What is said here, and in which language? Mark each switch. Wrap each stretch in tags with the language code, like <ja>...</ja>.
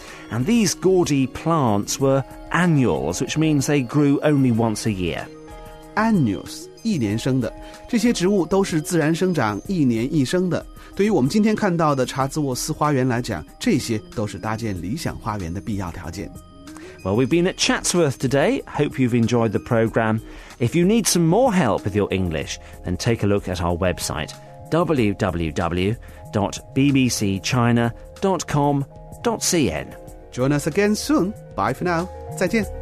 <en>And these gaudy plants were annuals, which means they grew only once a year. Annuals.</en> <zh>一年生的这些植物都是自然生长一年一生的对于我们今天看到的查兹沃斯花园来讲这些都是搭建理想花园的必要条件</zh> <en>Well, we've been at Chatsworth today Hope you've enjoyed the program If you need some more help with your English Then take a look at our website www.bbcchina.com.cn Join us again soon Bye for now</en> <zh>再见</zh>